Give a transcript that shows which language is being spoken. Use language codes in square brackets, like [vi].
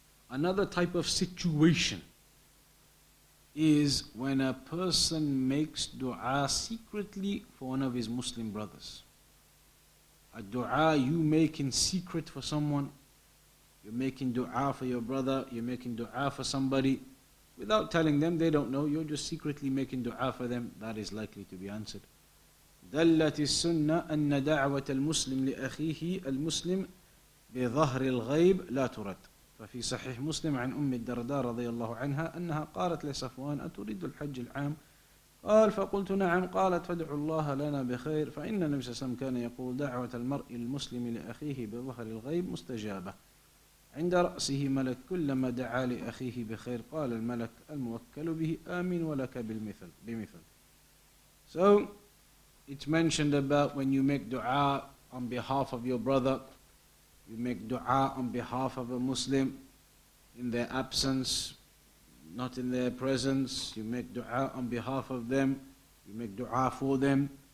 [en] Another type of situation is when a person makes dua secretly for one of his Muslim brothers. A dua you make in secret for someone, you're making dua for your brother, you're making dua for somebody, without telling them, they don't know, you're just secretly making dua for them, that is likely to be answered. [ar] دَلَّتِ السُّنَّةِ أَنَّ دَعْوَةَ الْمُسْلِمِ لِأَخِيهِ الْمُسْلِمِ بِظَهْرِ الْغَيْبِ لَا تُرَدْ ففي صحيح مسلم عن أم الدرداء رضي الله عنها أنها قالت لصفوان أتريد الحج العام قال فقلت نعم قالت فادعوا الله لنا بخير فإن النبي صلى الله عليه وسلم كان يقول دعوة المرء المسلم لأخيه بظهر الغيب مستجابة عند رأسه ملك كلما دعا لأخيه بخير قال الملك الموكل به آمين ولك بالمثل بمثل. [en] So it's mentioned about when you make dua on behalf of your brother, you make dua on behalf of a Muslim in their absence, not in their presence. You make dua on behalf of them. You make dua for them.